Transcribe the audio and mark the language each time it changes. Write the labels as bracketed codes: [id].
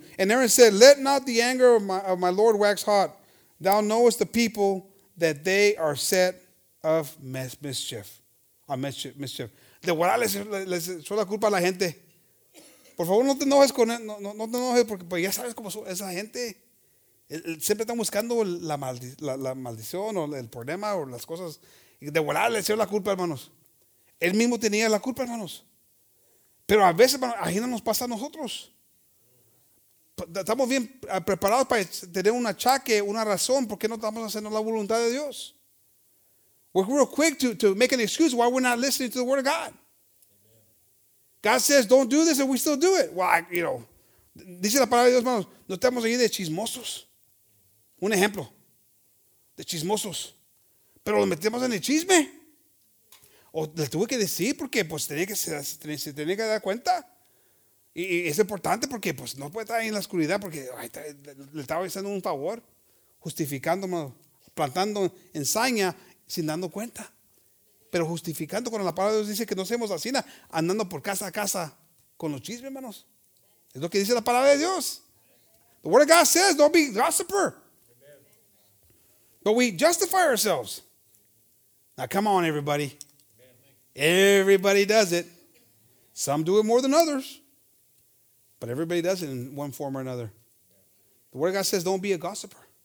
[en] And Aaron said, let not the anger of my Lord wax hot. Thou knowest the people that they are set of mischief. Mischief. [es] De verdad les echó la culpa a la gente. Por favor, no te enojes con él. No te enojes porque ya sabes cómo es la gente. Siempre están buscando la maldición o el problema o las cosas. De verdad les echó la culpa, hermanos. Él mismo tenía la culpa, hermanos. Pero a veces, hermano, ahí no nos pasa a nosotros. Estamos bien preparados para tener un achaque, una razón, ¿por qué no estamos haciendo la voluntad de Dios? [en] We're real quick to make an excuse why we're not listening to the word of God. God says, don't do this, and we still do it. [es] Dice la palabra de Dios, hermanos, no estamos ahí de chismosos. Un ejemplo, de chismosos. Pero lo metemos en el chisme. O le tuve que decir porque pues tenía que dar cuenta. Y es importante porque pues no puede estar ahí en la oscuridad porque le estaba haciendo un favor, justificando, plantando ensaña sin dando cuenta. Pero justificando cuando la palabra de Dios dice que no seamos así, andando por casa a casa con los chismes, hermanos. Es lo que dice la palabra de Dios. [en] The word of God says, don't be a gossiper. But we justify ourselves. Now come on, everybody. Everybody does it. Some do it more than others. But everybody does it in one form or another. The word of God says, don't be a gossiper.